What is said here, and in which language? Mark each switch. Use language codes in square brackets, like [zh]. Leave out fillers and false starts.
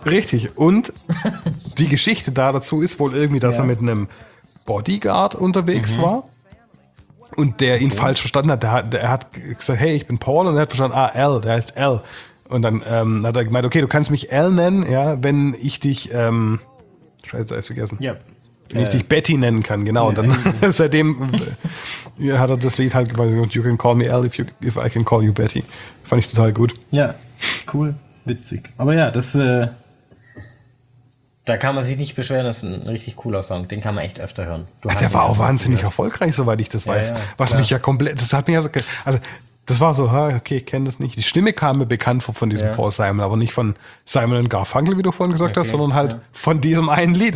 [de] Richtig, und die Geschichte dazu ist wohl irgendwie, dass er mit einem Bodyguard unterwegs war und der ihn falsch verstanden hat. Der hat gesagt, hey, ich bin Paul, und er hat verstanden, ah, L, der heißt L. Und dann hat er gemeint, okay, du kannst mich L nennen, ja, wenn ich dich, scheiße, hab ich vergessen. Ja. Wenn ich dich Betty nennen kann, genau. Und dann seitdem hat er das Lied halt gewonnen. [en] You can call me Al if I can call you Betty. [de] Fand ich total gut. Ja, cool, witzig. Aber ja, das da kann man sich nicht beschweren. Das ist ein richtig cooler Song. Den kann man echt öfter hören. Der war auch wahnsinnig erfolgreich, soweit ich das weiß. Ja, was mich ja komplett, das hat mich ja so, also das war so, okay, ich kenne das nicht. Die Stimme kam mir bekannt vor von diesem Paul Simon, aber nicht von Simon und Garfunkel, wie du vorhin gesagt hast, sondern halt von diesem einen Lied.